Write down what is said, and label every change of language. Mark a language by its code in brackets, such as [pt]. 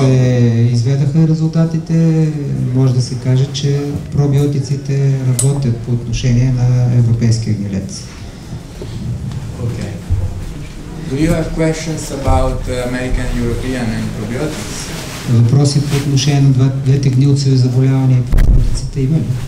[bg] Се изведаха резултатите, може да се каже, че пробиотиците работят по отношение на европейския гнилец. [en] Okay. Do you have questions about American, European and probiotics? [bg] Въпроси по отношение на двете гнилцеви заболявания и пробиотиците има ли?